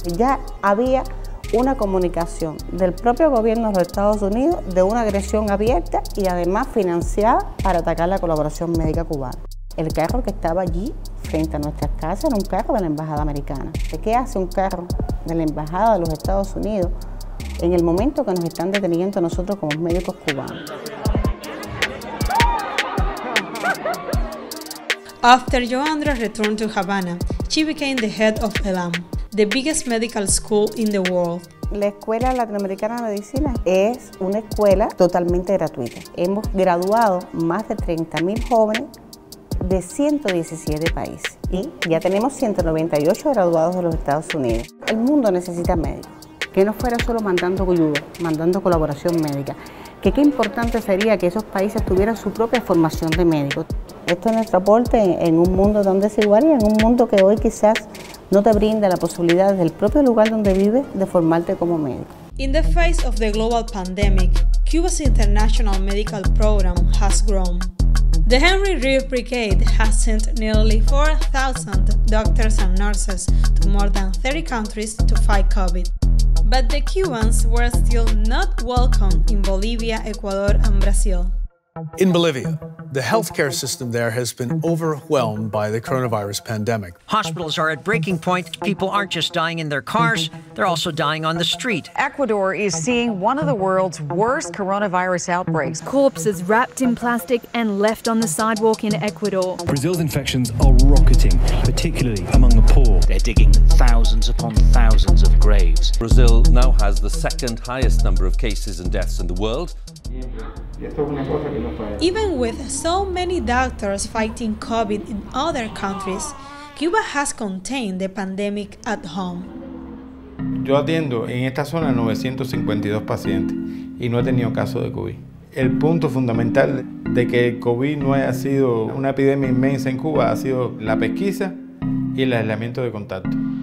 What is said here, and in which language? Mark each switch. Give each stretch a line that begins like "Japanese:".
Spanish: Ya había una comunicación del propio gobierno de los Estados Unidos de una agresión abierta y además financiada para atacar la colaboración médica cubana. El carro que estaba allí frente a nuestras casas era un carro de la embajada americana. ¿Qué hace un carro de la embajada de los Estados Unidos en el momento que nos están deteniendo nosotros como médicos cubanos?
English: After Joandra returned to Havana, she became the head of ELAM, the biggest medical school in the world.
Spanish: La Escuela Latinoamericana de Medicina es una escuela totalmente gratuita. Hemos graduado más de 30.000 jóvenes de 117 países y ya tenemos 198 graduados de los Estados Unidos. El mundo necesita médicos. Que no fuera solo mandando ayuda, mandando colaboración médica. Que qué importante sería que esos países tuvieran su propia formación de médicos. Esto es nuestro aporte en un mundo tan desigual y en un mundo que hoy quizás no te brinda la posibilidad desde el propio lugar donde vives de formarte como médico.
English: In the face of the global pandemic, Cuba's international medical program has grown. The Henry Reeve Brigade has sent nearly 4,000 doctors and nurses to more than 30 countries to fight COVID. But the Cubans were still not welcome in Bolivia, Ecuador, and Brazil. In Bolivia, the healthcare system there has been overwhelmed by the coronavirus pandemic. Hospitals are at breaking point. People aren't just dying in their cars, they're also dying on the street. Ecuador is seeing one of the world's worst coronavirus outbreaks. Corpses wrapped in plastic and left on the sidewalk in Ecuador. Brazil's infections are rocketing, particularly among the poor. They're digging thousands upon thousands of graves. Brazil now has the second highest number of cases and deaths in the world. Even with so many doctors fighting COVID in other countries, Cuba has contained the pandemic at home.
Spanish: Yo atiendo en esta zona 952 pacientes y no he tenido caso de COVID. El punto fundamental de que el COVID no haya sido una epidemia inmensa en Cuba ha sido la pesquisa y el aislamiento de contacto.